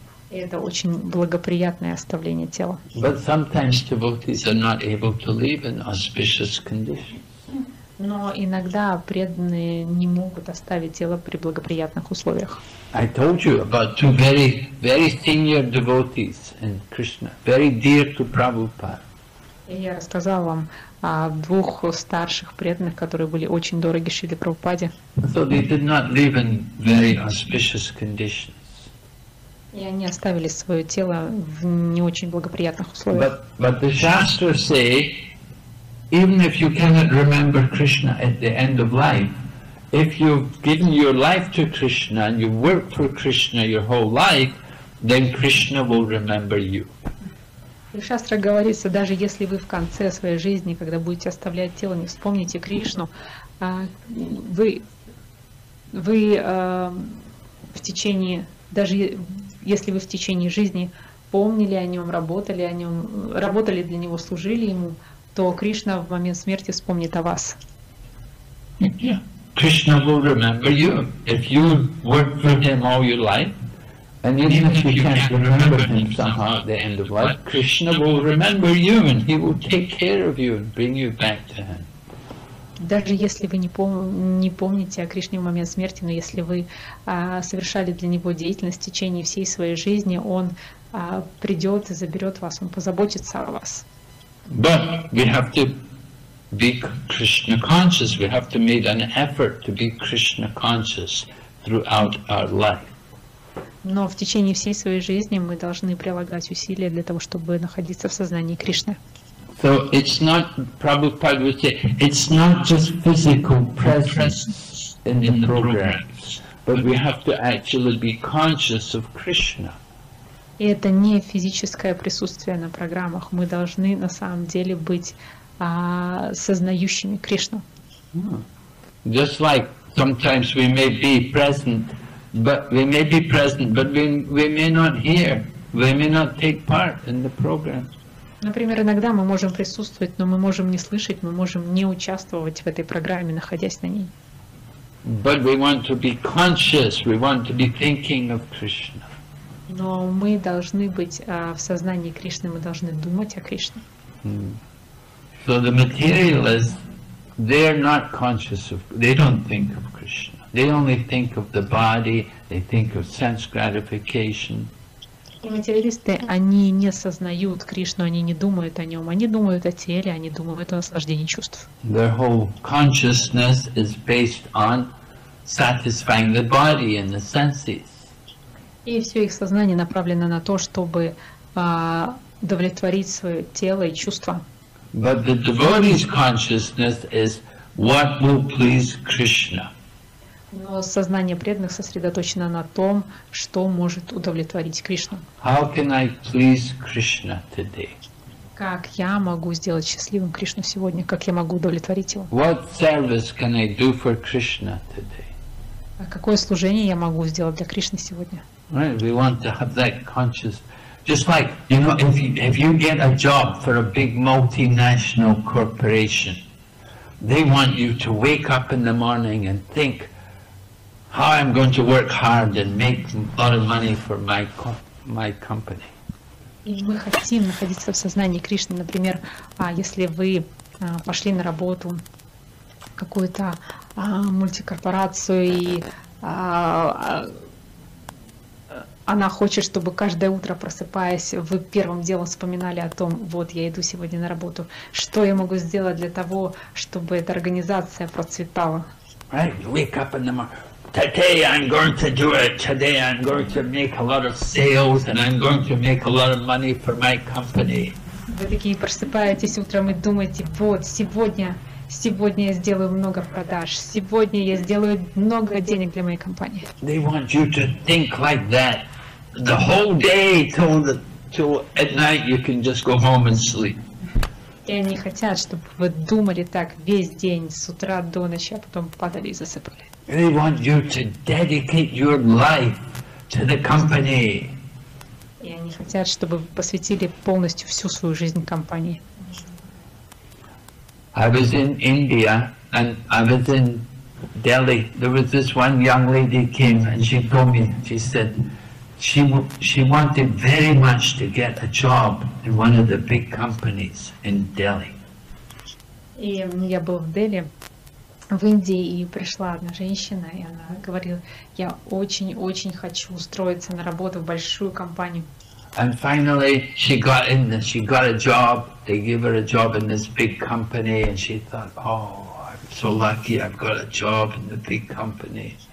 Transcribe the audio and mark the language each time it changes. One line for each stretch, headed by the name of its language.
Russian: И это очень благоприятное оставление тела.
English: But sometimes devotees are not able to leave in auspicious conditions.
Russian: Но иногда преданные не могут оставить тело при благоприятных условиях.
English: I told you about two very, very senior devotees in Krishna, very dear to Prabhupada.
Russian: И я рассказал вам о двух старших преданных, которые были очень дороги Шриле Прабхупаде.
English: So they did not live in very auspicious conditions.
Russian: И они оставили свое тело в не очень благоприятных условиях.
English: But the shastras say, even if you cannot remember Krishna at the end of life, if you've given your life to Krishna and you work for Krishna your whole life, then Krishna will remember you.
Russian: И шастра говорится, даже если вы в конце своей жизни, когда будете оставлять тело, не вспомните Кришну, вы в течение, даже если вы в течение жизни помнили о нем, работали для него, служили ему, то Кришна в момент смерти вспомнит о вас.
English: Yeah. Krishna will remember you if you work for him all your life, and even if you can't remember him somehow at the end of life, Krishna will remember you and he will take care of you and bring you back to him.
Russian: даже если вы не помните о Кришне в момент смерти, но если вы совершали для него деятельность в течение всей своей жизни, он придет и заберет вас, он позаботится о вас.
English: Да, we have to be Krishna conscious. We have to make an effort to be Krishna conscious throughout our life.
Russian: Но в течение всей своей жизни мы должны прилагать усилия для того, чтобы находиться в сознании Кришны.
English: So it's not, Prabhupada would say, it's not just physical presence in the programs, but we have to actually be conscious of Krishna.
Russian: И это не физическое присутствие на программах. Мы должны на самом деле быть сознающими Кришну.
English: Just like sometimes we may be present, but we may be present, but we may not hear, we may not take part in the program.
Russian: Например, иногда мы можем присутствовать, но мы можем не слышать, мы можем не участвовать в этой программе, находясь на ней.
English: But we want to be conscious, we want to be thinking of Krishna.
Russian: Но мы должны быть в сознании Кришны, мы должны думать о Кришне.
English: So the materialists, they're not conscious of, they don't think of Krishna. They only think of the body, they think of sense gratification.
Russian: И материалисты, они не сознают Кришну, они не думают о нем, они думают о теле, они думают о наслаждении чувств.
English: Their whole consciousness is based on satisfying the body and the senses.
Russian: И все их сознание направлено на то, чтобы удовлетворить свое тело и чувства.
English: But the devotee's consciousness is what will please Krishna.
Russian: Но сознание преданных сосредоточено на том, что может удовлетворить Кришну.
English: How can I please Krishna today?
Russian: Как я могу сделать счастливым Кришну сегодня? Как я могу удовлетворить его?
English: What service can I do for Krishna today?
Russian: А какое служение я могу сделать для Кришны сегодня?
English: Right, we want to have that conscious, just like, you know, if you get a job for a big multinational corporation, they want you to wake up in the morning and think, how I'm going to work hard and make a lot of money for my company.
Russian: И мы хотим находиться в сознании Кришны, например, если вы пошли на работу какую-то мультикорпорацию, и она хочет, чтобы каждое утро, просыпаясь, вы первым делом вспоминали о том, вот я иду сегодня на работу, что я могу сделать для того, чтобы эта организация процветала.
English: Right, wake up in the morning. Today I'm going to do it. Today I'm going to make a lot of sales and I'm going to make a lot of money for my company.
Russian: Вы такие просыпаетесь утром и думаете, вот сегодня я сделаю много продаж, сегодня я сделаю много денег для моей компании.
English: They want you to think like that the whole day till at night you can just go home and sleep.
Russian: И они хотят, чтобы вы думали так весь день, с утра до ночи, а потом падали и засыпали.
English: They want you to dedicate your life to the company.
Russian: И они хотят, чтобы вы посвятили полностью всю свою жизнь компании.
English: I was in India and I was in Delhi. There was this one young lady came and she told me, she said she wanted very much to get a job in one of the big companies in Delhi.
Russian: И я был в Дели. В Индии и пришла одна женщина, и она говорила, я очень-очень хочу устроиться на работу в большую компанию.
English: And finally she got a job, they gave her a job in this big company, and she thought, oh, I'm so lucky, I've got a job in the big company.